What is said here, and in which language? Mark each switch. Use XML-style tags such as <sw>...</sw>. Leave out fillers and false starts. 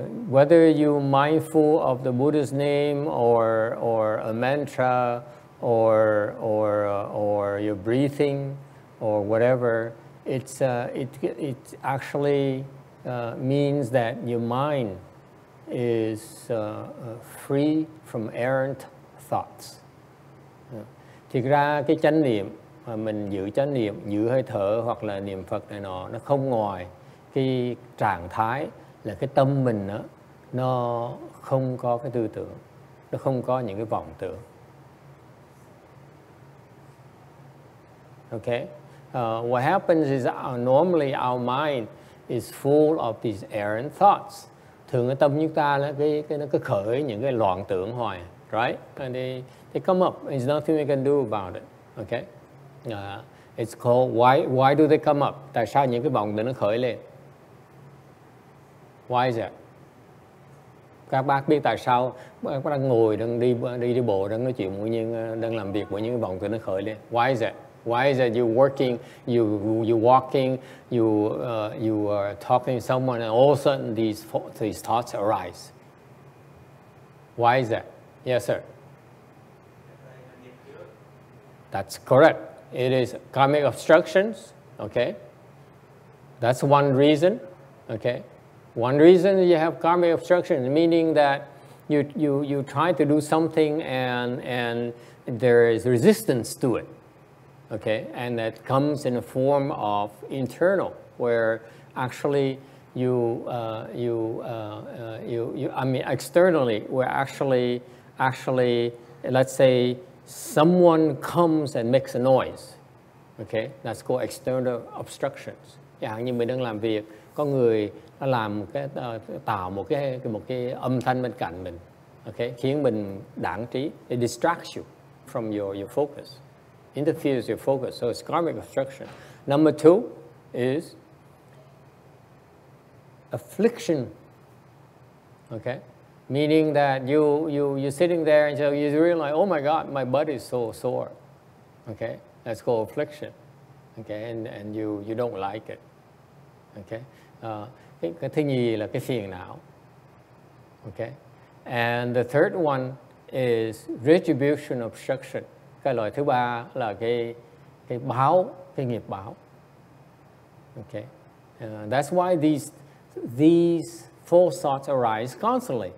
<en>Whether you're mindful of the Buddha's name or a mantra or your breathing or whatever, it actually means that your mind is free from errant thoughts.</en> <vi>Thực ra cái chánh niệm mà mình giữ chánh niệm, giữ hơi thở hoặc là niệm Phật này nọ, nó không ngoài cái trạng thái là cái tâm mình đó, nó không có cái tư tưởng, nó không có những cái vọng tưởng.</vi> <en>Okay, what happens is normally our mind is full of these errant thoughts.</en> <vi>Thường cái tâm chúng ta là cái nó cứ khởi những cái loạn tưởng hoài, right?</vi> <en>And they come up, there's nothing we can do about it. Okay? It's called why do they come up?</en> <vi>Tại sao những cái vọng tưởng nó khởi lên?</vi> <en>Why is that?</en> <vi>Các bác biết tại sao các bác đang ngồi, đang đi bộ, đang nói chuyện với nhân, đang làm việc với những cái vọng tưởng nó khởi lên?</vi> <en>Why is that? Why is that you're working, you walking, you are talking to someone, and all of a sudden these thoughts arise? Why is that? Yes, sir. That's correct. It is karmic obstructions. Okay. That's one reason. Okay. One reason you have karmic obstructions, meaning that you try to do something and there is resistance to it. Okay, and that comes in a form of internal, where actually externally, where actually, let's say someone comes and makes a noise. Okay, that's called external obstructions.</en> <vi>Yeah, như mình đang làm việc, có người nó làm một cái tạo một cái âm thanh bên cạnh mình. Okay, khiến mình đãng trí.</vi> <en>It distracts you from your focus. Interferes your focus, so it's karmic obstruction. Number two is affliction. Okay, Meaning that you're sitting there and so you realize, oh my God, my butt is so sore. Okay, that's called affliction. Okay, and you don't like it.</en> <vi>Okay, cái thứ nhì là cái phiền não.</vi> <en>Okay, and the third one is retribution obstruction.</en> <vi>Cái loại thứ ba là cái báo, cái nghiệp báo.</vi> <en>Okay, that's why these false thoughts arise constantly.</en>